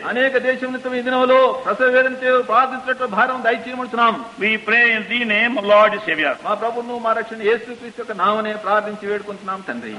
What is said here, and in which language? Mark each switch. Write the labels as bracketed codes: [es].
[te] అనేక దేశములతో ఈ దినములో ప్రసవేదనతో ప్రార్థించినట్టు భారం దయచేయమంటున్నాం [en] we pray in the name of lord savior [te] మా ప్రభువును మా రక్షణ యేసుక్రీస్తు యొక్క నామనే ప్రార్థించి వేడుకుంటున్నాం తండ్రి